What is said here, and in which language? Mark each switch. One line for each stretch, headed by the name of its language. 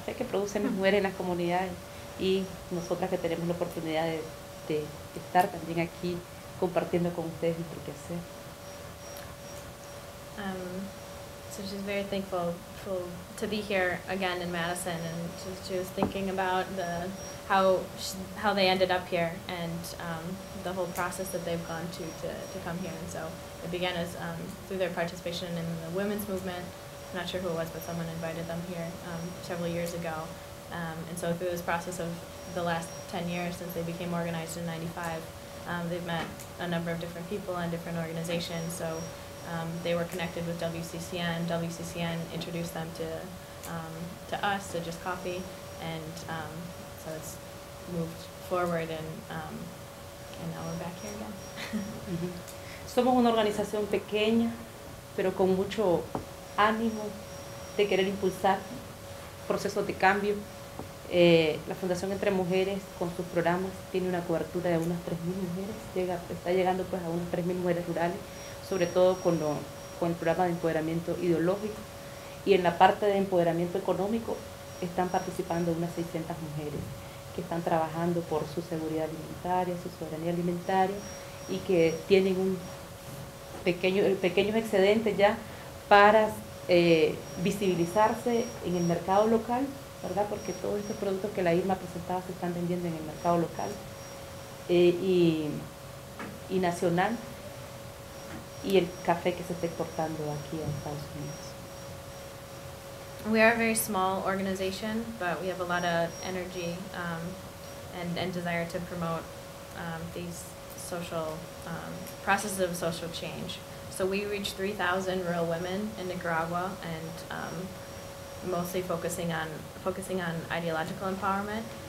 Spanish: sé que producen mujeres en las comunidades y nosotras que tenemos la oportunidad de estar también aquí compartiendo con ustedes nuestro quehacer.
English: So she's very thankful for, to be here again in Madison, and she was thinking about the how they ended up here and the whole process that they've gone to come here. And so it began as through their participation in the women's movement. I'm not sure who it was, but someone invited them here several years ago. And so through this process of the last 10 years since they became organized in 95, they've met a number of different people and different organizations. So they were connected with WCCN. WCCN introduced them to us, to Just Coffee, and so it's moved forward, and now we're back here again.
Spanish: Somos una organización pequeña, pero con mucho ánimo de querer impulsar procesos de cambio. La Fundación Entre Mujeres, con sus programas, tiene una cobertura de unas 3,000 mujeres. Está llegando pues a unas 3,000 mujeres rurales, sobre todo con el programa de empoderamiento ideológico. Y en la parte de empoderamiento económico están participando unas 600 mujeres que están trabajando por su seguridad alimentaria, su soberanía alimentaria, y que tienen un pequeño excedente ya para visibilizarse en el mercado local, ¿verdad? Porque todos estos productos que la Irma presentaba se están vendiendo en el mercado local y nacional, y el café que se está exportando aquí a Estados Unidos.
English: We are a very small organization, but we have a lot of energy and desire to promote these social processes of social change. So we reach 3,000 rural women in Nicaragua, and mostly focusing on ideological empowerment.